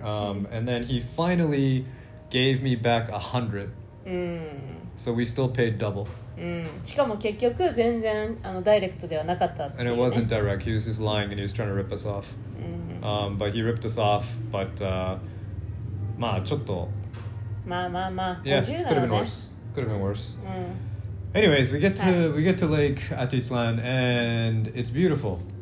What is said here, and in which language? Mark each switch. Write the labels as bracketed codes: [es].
[en] And then he finally gave me back 100. So we still paid double. [ja] しかも結局全然あのダイレクトではなかったっていうね。 [en] And it wasn't direct. He was just lying and he was trying to rip us off. But he ripped us off. But, [ja] まあちょっと。まあ。 [en] Yeah, could have been worse. Anyways, we get to Lake Atitlan and it's beautiful.